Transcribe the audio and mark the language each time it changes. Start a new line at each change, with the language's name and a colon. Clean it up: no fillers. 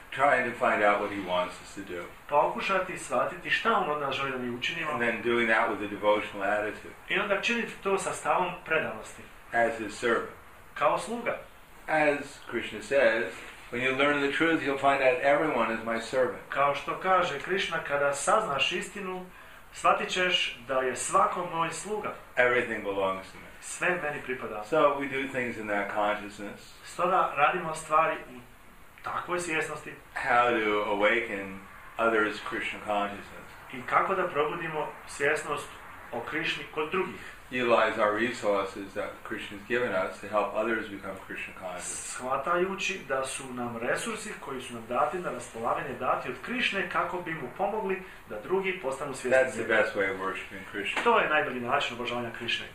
English: Trying to find out what he wants us to do.
Bosnian: Pokušati shvatiti šta on od nas želi da mi učinimo.
English: And then doing that with a devotional attitude.
Bosnian: I onda činiti to sa stavom predanosti.
English: As his servant.
Bosnian: Kao sluga.
English: As Krishna says, when you learn the truth, you'll find out everyone is my servant.
Bosnian: Kao što kaže Krishna, kada saznaš istinu, shvatit ćeš da je svako moj sluga.
English: Everything belongs to me.
Bosnian: Sve meni pripada.
English: So we do things in that consciousness.
Bosnian: Stoga radimo stvari u takvoj svjesnosti.
English: How to awaken others' Krishna consciousness.
Bosnian: I kako da probudimo svjesnost o Krishni kod drugih.
English: Utilize our resources that Krishna's given us to help others become Krishna conscious.
Bosnian: Shvatajući da su nam resursi koji su nam dati na raspolaganje dati od Krishne kako bi mu pomogli da drugi postanu svjesni.
English: That's the best way of worshiping Krishna.
Bosnian: To je najbolji način obožavanja Krishne.